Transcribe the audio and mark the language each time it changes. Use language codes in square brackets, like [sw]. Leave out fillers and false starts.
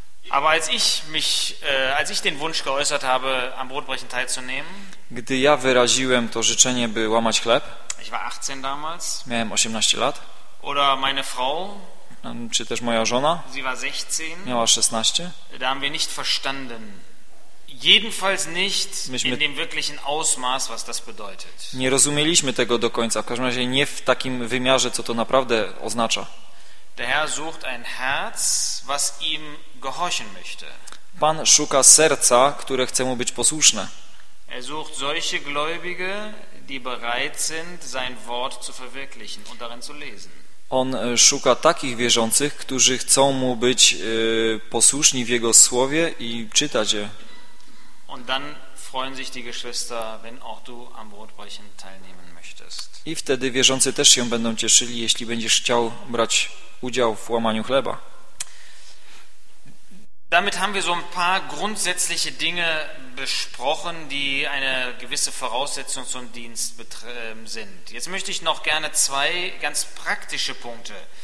[de] Aber als ich mich als ich den Wunsch geäußert habe, am Brotbrechen teilzunehmen. [pl] Gdy ja wyraziłem to życzenie, by łamać chleb. [de] Ich war 18 damals. [pl] Miałem 18 lat. [de] Oder meine Frau. [pl] Czy też moja żona. [de] Sie war 16. [pl] Miała 16. [de] Da haben wir nicht verstanden. Jedenfalls nicht in dem wirklichen Ausmaß, was das bedeutet. [pl] Nie rozumieliśmy tego do końca. W każdym razie nie w takim wymiarze, co to naprawdę oznacza. [de] Der Herr sucht ein Herz, was ihm gehorchen möchte. [pl] Pan szuka serca, które chce mu być posłuszne. [de] Er sucht solche Gläubige, die bereit sind, sein Wort zu verwirklichen und darin zu lesen. [pl] On szuka takich wierzących, którzy chcą mu być posłuszni w jego słowie i czytać je. [de] Und dann freuen sich die Geschwister, wenn auch du am Brotbrechen teilnehmen möchtest. [pl] I wtedy wierzący też się będą cieszyli, jeśli będziesz chciał brać udział w łamaniu chleba. [de] Damit haben wir so ein paar grundsätzliche Dinge besprochen, die eine gewisse Voraussetzung zum Dienst sind. Jetzt möchte ich noch gerne zwei ganz praktische Punkte.